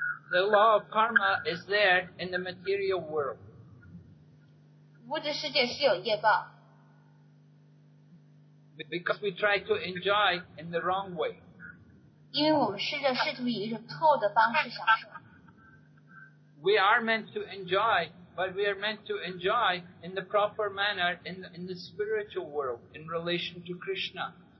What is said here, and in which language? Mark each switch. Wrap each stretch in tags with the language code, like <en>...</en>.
<en>The law of karma is there in the material world.</en> <zh>物质世界是有业报。</zh> <en>Because we try to enjoy in the wrong way.</en> <zh>因为我们试着试图以一种错误的方式享受。</zh> <en>We are meant to enjoy, but we are meant to enjoy in the proper manner in the spiritual world, in relation to Krishna.</en>